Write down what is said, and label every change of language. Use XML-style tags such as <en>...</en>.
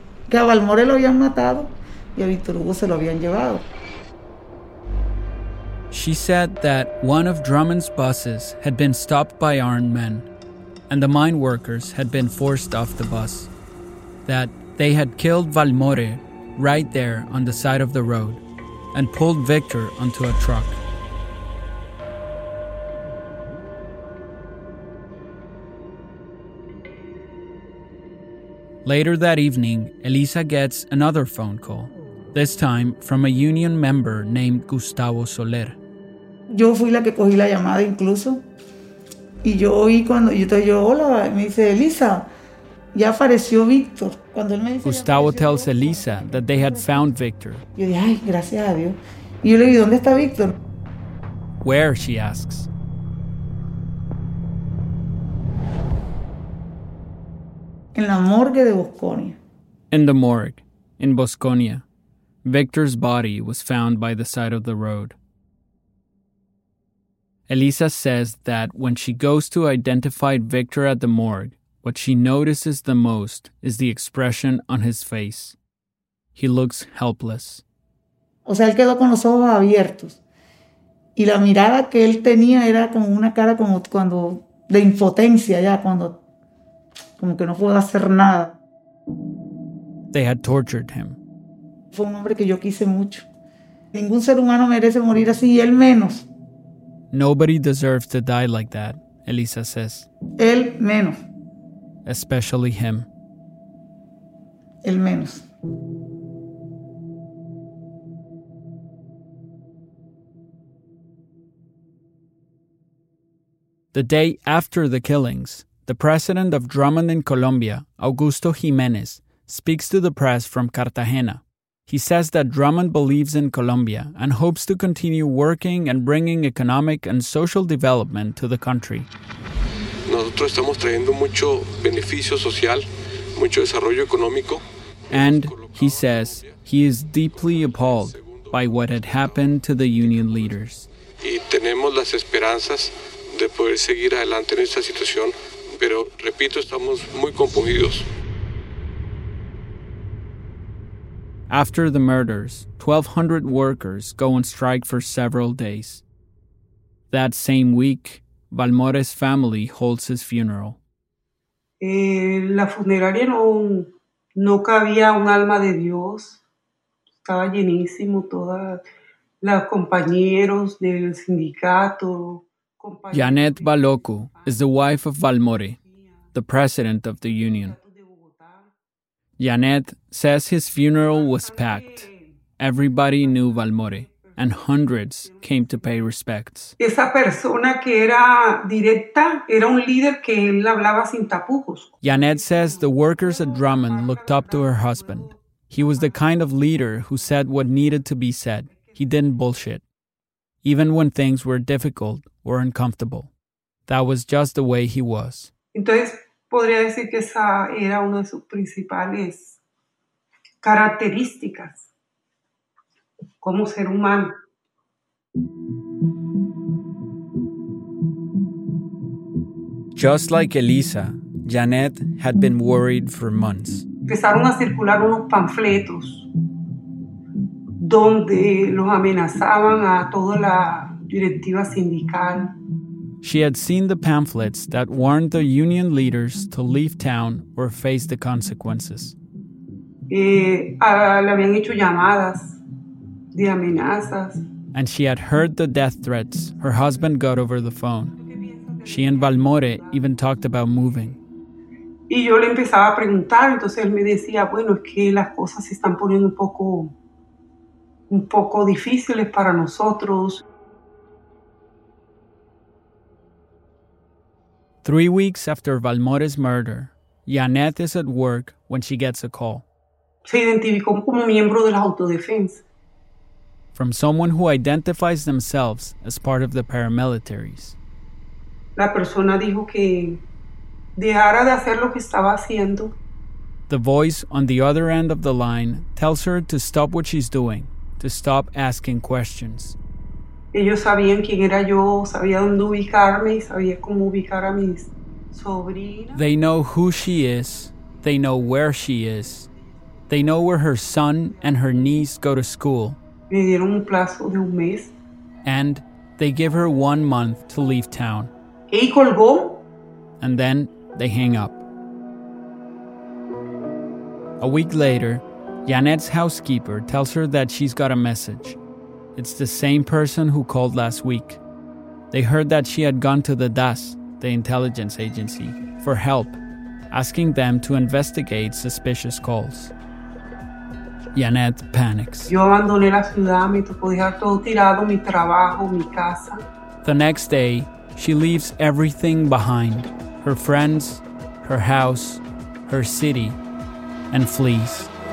<es>Que a Valmore lo habían matado y a Victor Hugo se lo habían llevado.</es> <en>She said that one of Drummond's buses had been stopped by armed men, and the mine workers had been forced off the bus. That they had killed Valmore right there on the side of the road and pulled Victor onto a truck. Later that evening, Elisa gets another phone call, this time from a union member named Gustavo Soler.</en> <es>Yo fui la que cogí la llamada incluso. Y yo oí cuando... Yo, hola, me dice, Elisa, ya apareció Víctor. Cuando él me dice,</es> <en>Gustavo tells Elisa that they had found Victor.</en> <es>Yo dije, ay, gracias a Dios. Y yo le dije, ¿dónde está Víctor?</es> <en>Where, she asks.</en> <es>En la morgue de Bosconia.</es> <en>In the morgue, in Bosconia. Victor's body was found by the side of the road. Elisa says that when she goes to identify Victor at the morgue, what she notices the most is the expression on his face. He looks helpless.</en> <es>O sea, él quedó con los ojos abiertos. Y la mirada que él tenía era como una cara como cuando de impotencia ya, cuando como que no puedo hacer nada.</es> <en>They had tortured him.</en> <es>Fue un hombre que yo quise mucho. Ningún ser humano merece morir así, y él menos.</es> <en>Nobody deserves to die like that, Elisa says.</en> <es>El menos.</es> <en>Especially him.</en> <es>El menos.</es> <en>The day after the killings, the president of Drummond in Colombia, Augusto Jiménez, speaks to the press from Cartagena. He says that Drummond believes in Colombia and hopes to continue working and bringing economic and social development to the country.</en> <es>Nosotros estamos trayendo mucho beneficio social, mucho desarrollo económico.</es> <en>And he says he is deeply appalled by what had happened to the union leaders.</en> <es>Y tenemos las esperanzas de poder seguir adelante en esta situación, pero repito, estamos muy compungidos.</es> <en>After the murders, 1,200 workers go on strike for several days. That same week, Valmore's family holds his funeral.</en> <es>La funeraria no cabía un alma de Dios. Estaba llenísimo, todas las compañeros del sindicato.</es> <en>Janet Baloku is the wife of Valmore, the president of the union. Janet says his funeral was packed. Everybody knew Valmore, and hundreds came to pay respects.</en> <es>Esa persona que era directa era un líder que él hablaba sin tapujos.</es> <en>Janet says the workers at Drummond looked up to her husband. He was the kind of leader who said what needed to be said. He didn't bullshit, even when things were difficult or uncomfortable. That was just the way he was.</en> <es>Entonces, podría decir que esa era una de sus principales características como ser humano.</es> <en>Just like Elisa, Janet had been worried for months.</en> <es>Empezaron a circular unos panfletos donde los amenazaban a toda la directiva sindical.</es> <en>She had seen the pamphlets that warned the union leaders to leave town or face the consequences.</en> <es>Le habían hecho llamadas de amenazas.</es> <en>And she had heard the death threats her husband got over the phone. She and Valmore even talked about moving.</en> <es>Y yo le empezaba a preguntar, entonces él me decía, bueno, es que las cosas se están poniendo un poco difíciles para nosotros.</es> <en>3 weeks after Valmore's murder, Janet is at work when she gets a call.</en> <es>Se identificó como miembro de la autodefensa.</es> <en>From someone who identifies themselves as part of the paramilitaries.</en> <es>La persona dijo que dejara de hacer lo que estaba haciendo.</es> <en>The voice on the other end of the line tells her to stop what she's doing, to stop asking questions.</en> <es>Ellos sabían quién era yo, sabía dónde ubicarme, sabía cómo ubicar a mis sobrinas.</es> <en>They know who she is, they know where she is, they know where her son and her niece go to school.</en> <es>Me dieron un plazo de un mes.</es> <en>And they give her 1 month to leave town.</en> <es>Y colgó.</es> <en>And then they hang up. A week later, Janet's housekeeper tells her that she's got a message. It's the same person who called last week. They heard that she had gone to the DAS, the intelligence agency, for help, asking them to investigate suspicious calls. Janet panics.</en> <es>Yo abandoné la ciudad, me tocó dejar todo tirado, mi trabajo, mi casa.</es> <en>The next day, she leaves everything behind. Her friends, her house, her city, and flees.</en>